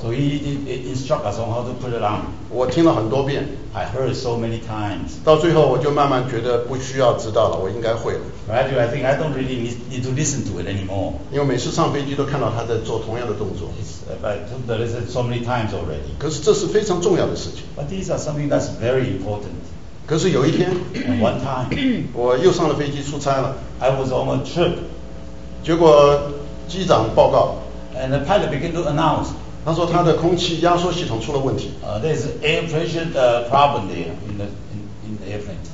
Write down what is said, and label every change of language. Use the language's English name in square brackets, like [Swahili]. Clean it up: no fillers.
[English] So he instructs us on how to put it on. [Chinese] 我听了很多遍, [English] I heard so many times. [Chinese] 到最后我就慢慢觉得不需要知道了, 我应该会了。 [English] Right, I think I don't really need to listen to it anymore. [Chinese] 因为每次上飞机都看到他在做同样的动作。 [English] I've done it so many times already. [Chinese] 可是这是非常重要的事情。 [English] But these are something that's very important. [Chinese] 可是有一天, [English] One time, [Chinese] 我又上了飞机出差了。 [English] I was on a trip. [Chinese] 结果机长报告, [English] And the pilot began to announce, [Chinese] 他说他的空气压缩系统出了问题。 [English] There's an air pressure problem there in the airplane.